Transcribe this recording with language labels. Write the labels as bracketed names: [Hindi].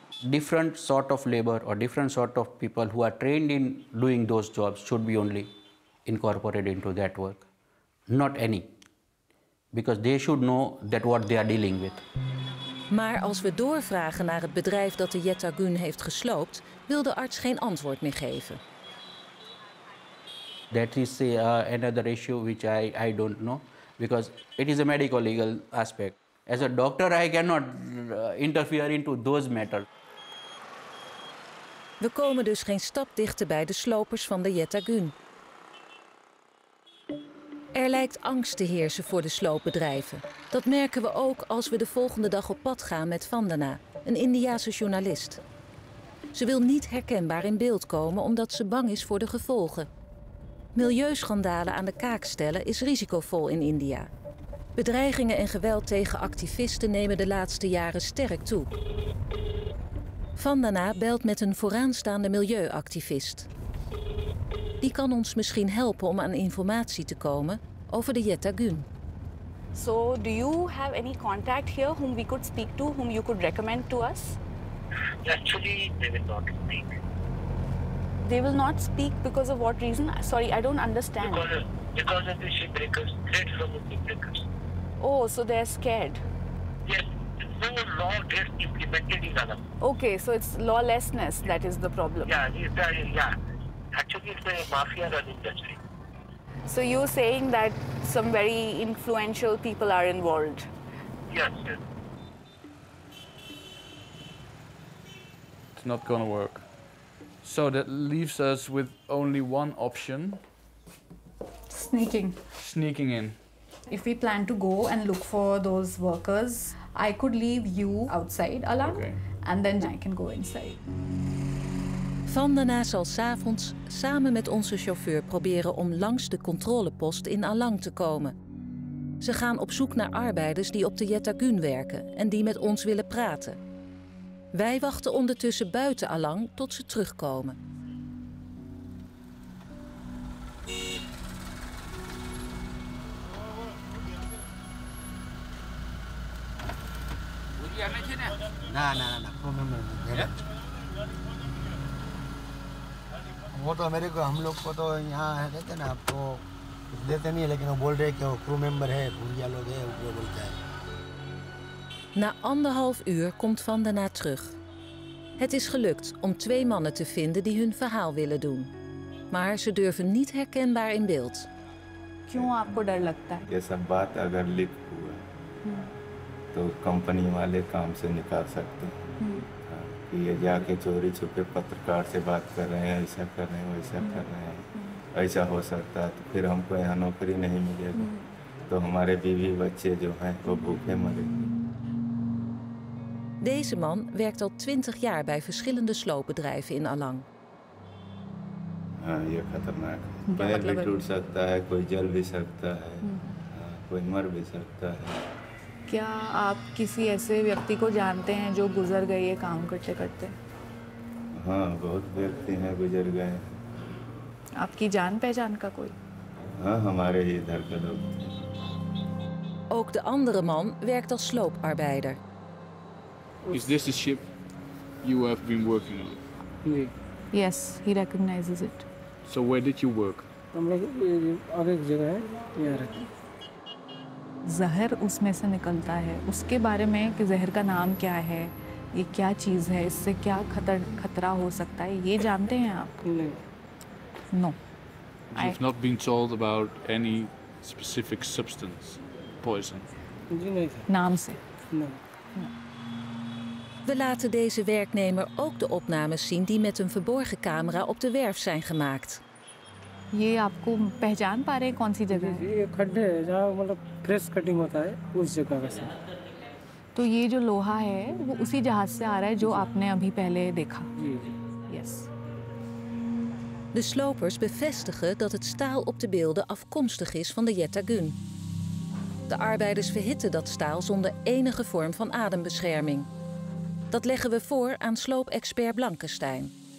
[English] Different sort of labor or different sort of people who are trained in doing those jobs should be only incorporated into that work, not any, because they should know that what they are dealing with. [Dutch] Maar als we doorvragen naar het bedrijf dat de Yetagun heeft gesloopt, wil de arts geen antwoord meer geven. [English] That is another issue which I don't know, because it is a medical legal aspect. As a doctor, I cannot interfere into those matters. [Dutch] We komen dus geen stap dichter bij de slopers van de Yetagun. Er lijkt angst te heersen voor de sloopbedrijven. Dat merken we ook als we de volgende dag op pad gaan met Vandana, een Indiase journalist. Ze wil niet herkenbaar in beeld komen omdat ze bang is voor de gevolgen. Milieuschandalen aan de kaak stellen is risicovol in India. Bedreigingen en geweld tegen activisten nemen de laatste jaren sterk toe. Vandana belt met een vooraanstaande milieuactivist. Die kan ons misschien helpen om aan informatie te komen over de Yetagun. [English] So, do you have any contact here whom we could speak to, whom you could recommend to us? Actually, they will not speak. They will not speak because of what reason? Sorry, I don't understand. Because of the shipbreakers, threat from the shipbreakers. Oh, so they're scared? Yes, no law gets implemented in Alam. Okay, so it's lawlessness that is the problem. Yeah. Actually, it's a mafia run industry. So you're saying that some very influential people are involved? Yes. It's not gonna work. So that leaves us with only one option. Sneaking. Sneaking in. If we plan to go and look for those workers, I could leave you outside alone, okay. And then I can go inside. [Dutch] Vandana zal 's avonds samen met onze chauffeur proberen om langs de controlepost in Alang te komen. Ze gaan op zoek naar arbeiders die op de Yetagun werken en die met ons willen praten. Wij wachten ondertussen buiten Alang tot ze terugkomen. [Hindi] वो तो मेरे को हम लोग को तो यहां है कहते ना आपको देते नहीं है लेकिन वो बोल रहे हैं कि वो क्रू मेंबर है भूरिया लोग है वो बोलते हैं [Dutch] Na anderhalf uur komt Vandana terug. Het is gelukt om 2 mannen te vinden die hun verhaal willen doen. Maar ze durven niet herkenbaar in beeld. [Hindi] क्यों आपको डर लगता है ये सब बात अगर लीक हुआ तो कंपनी वाले काम से निकाल सकते हैं ये जाके चोरी छुपे पत्रकार से बात कर रहे हैं ऐसा कर रहे हैं वैसा कर रहे हैं ऐसा हो सकता है तो फिर हमको यहाँ नौकरी नहीं मिलेगी तो हमारे बीवी बच्चे जो हैं वो भूखे मरेंगे। [Dutch] Deze man werkt al 20 jaar bij verschillende sloopbedrijven in Alang. [Hindi] हाँ ये खतरनाक है पैर भी टूट सकता है कोई जल भी सकता है कोई मर भी सकता है क्या आप किसी ऐसे व्यक्ति को जानते हैं जो गुजर गए ये काम करते करते हाँ बहुत व्यक्ति हैं गुजर गए आपकी जान पहचान का कोई हाँ हमारे ही इधर का लोग [Dutch] ook de andere man werkt als slooparbeider [English] is this the ship you have been working on yes he recognizes it so where did you work [Hindi] हम लोग और एक जगह है यहाँ रखी जहर उसमें से निकलता है उसके बारे में कि जहर का नाम क्या है ये क्या चीज है इससे क्या खतरा हो सकता है ये जानते हैं आप no [English] I have not been told about any specific substance poison [Hindi] जी नहीं नाम से [Dutch] We laten deze werknemer ook de opnames zien die met een verborgen camera op de werf zijn gemaakt. [Hindi] ये आपको पहचान पा रहे हैं कौन सी जगह है? ये खड्डे है जहाँ मतलब फ्रेश कटिंग होता है उस जगह का सर। तो ये जो लोहा है वो उसी जहाज से आ रहा है जो आपने अभी पहले देखा? [English] Yes. [Dutch] De slopers bevestigen dat het staal op de beelden afkomstig is van de Yetagun. De arbeiders verhitten dat staal zonder enige vorm van adembescherming. Dat leggen we voor aan sloopexpert Blankenstein.